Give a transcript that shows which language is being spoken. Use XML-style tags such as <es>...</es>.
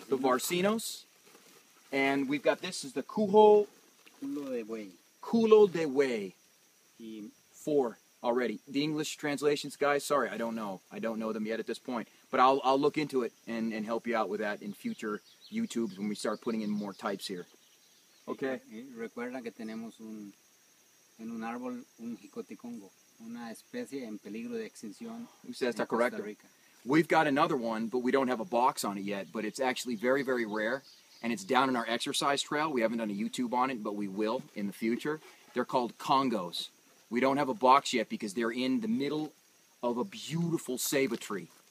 <en>the Varsinos. And we've got, this is the Cujo. Culo de Buey. Culo de Buey. 4 already. The English translations, guys, sorry, I don't know. I don't know them yet at this point. But I'll look into it and help you out with that in future YouTubes when we start putting in more types here. Okay.</en> <es>Recuerda que tenemos en un árbol un jicoticongo, una especie en peligro de extinción.</es> <en>Who says that correct? We've got another one, but we don't have a box on it yet. But it's actually very, very rare, and it's down in our exercise trail. We haven't done a YouTube on it, but we will in the future. They're called Congos. We don't have a box yet because they're in the middle of a beautiful ceiba tree.</en>